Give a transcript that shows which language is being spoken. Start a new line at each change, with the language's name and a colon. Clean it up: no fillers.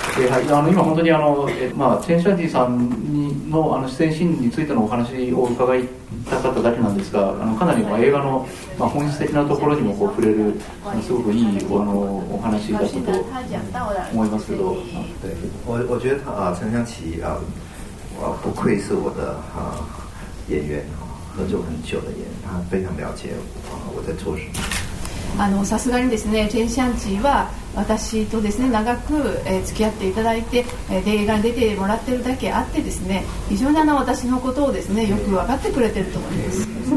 Japanese: はい、今本当にまあ、チェンシャーディさんに出演シーンについてのお話を伺いたかっただけなんですが、かなり、まあ、映画の、まあ、本質的なところにもこう触れるすごくいいお話だったと思いますけど、
Chinese: 对我觉得陈湘琪不愧是我的演员合作很久的演员非常了解我在做什么
Japanese: さすがにですね、チェン・シャンチーは私とですね、長く、付き合っていただいて、映画に出てもらってるだけあってですね、非常に私のことをですね、よく分かってくれてると思います。